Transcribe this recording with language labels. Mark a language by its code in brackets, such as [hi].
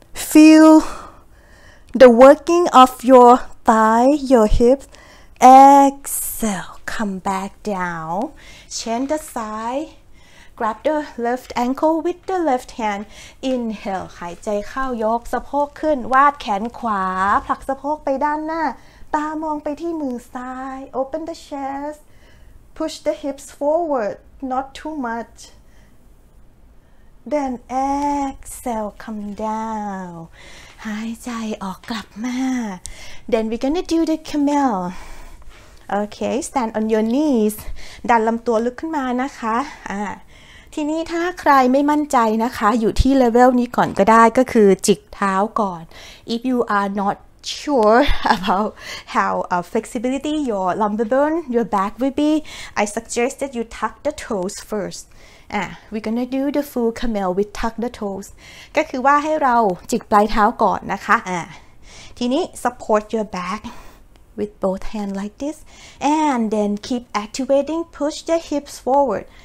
[en] Feel the working of your thigh, your hips. Exhale. Come back down. Chin the thigh. Grab the left ankle with the left hand. Inhale. [th] หายใจเข้ายกสะโพกขึ้นวาดแขนขวาผลักสะโพกไปด้านหน้าตามองไปที่มือซ้าย [en] Open the chest. Push the hips forward. Not too much. Then exhale, come down. [th] หายใจออกกลับมา [en] Then we're gonna do the camel. Okay, stand on your knees. [th] ดันลำตัวลึกขึ้นมานะคะทีนี้ถ้าใครไม่มั่นใจนะคะอยู่ที่เลเวลนี้ก่อนก็ได้ก็คือจิกเท้าก่อน [en] If you are not sure about how flexibility your lumbar bone, your back will be, I suggest that you tuck the toes first. We're gonna do the full camel with tuck the toes. [th] ก็คือว่าให้เราจิกปลายเท้าก่อนนะคะทีนี้ [en] support your back with both hands like this and then keep activating push the hips forward